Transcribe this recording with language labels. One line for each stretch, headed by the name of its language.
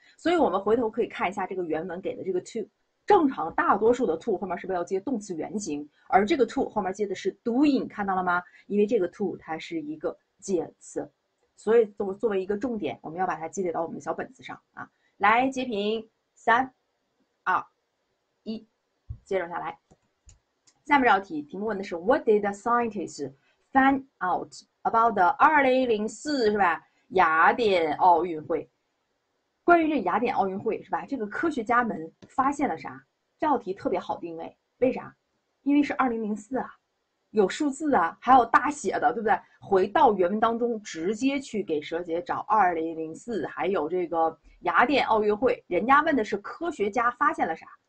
Chinese: 所以我们回头可以看一下这个原文给的这个 to，正常大多数的 to 后面是不是要接动词原形？而这个 to 后面接的是 doing，看到了吗？因为这个 to 它是一个介词，所以作为一个重点，我们要把它积累到我们的小本子上啊。来截屏，三、二、一，接着下来。下面这道题，题目问的是
English: "What did the scientists find out about the 2004
Chinese: 是吧？雅典奥运会，关于这雅典奥运会是吧？这个科学家们发现了啥？这道题特别好定位，为啥？因为是2004啊，有数字啊，还有大写的，对不对？回到原文当中，直接去给蛇姐找2004，还有这个雅典奥运会，人家问的是科学家发现了啥？